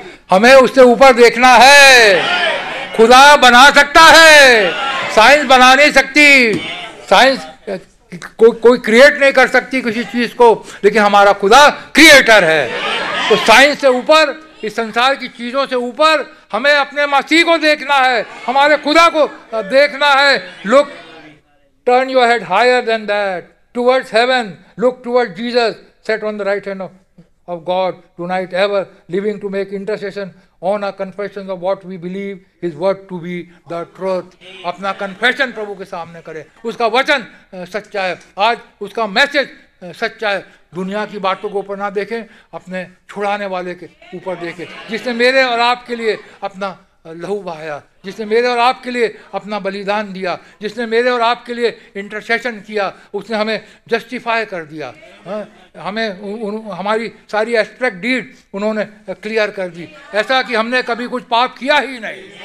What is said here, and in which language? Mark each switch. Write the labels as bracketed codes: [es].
[hi] हमें उससे ऊपर देखना है, खुदा बना सकता है, साइंस बना नहीं सकती, साइंस कोई क्रिएट नहीं कर सकती किसी चीज को, लेकिन हमारा खुदा क्रिएटर है। तो साइंस से ऊपर, इस संसार की चीजों से ऊपर हमें अपने मसीह को देखना है, हमारे खुदा को देखना है। [en] Look, turn your head higher than that towards heaven, look towards Jesus, set on the right hand of God, tonight ever, living to make intercession on our confession of what we believe his word to be the truth. [hi] अपना confession प्रभु के सामने करें. उसका वचन सच्चा है. आज उसका message सच्चा है. दुनिया की बातों को ऊपर ना देखें, अपने छुड़ाने वाले के ऊपर देखें, जिसने मेरे और आपके लिए अपना लहू बहाया, जिसने मेरे और आपके लिए अपना बलिदान दिया, जिसने मेरे और आपके लिए इंटरसेशन किया, उसने हमें जस्टिफाई कर दिया, हमें हमारी सारी एस्पेक्ट डीड उन्होंने क्लियर कर दी, ऐसा कि हमने कभी कुछ पाप किया ही नहीं.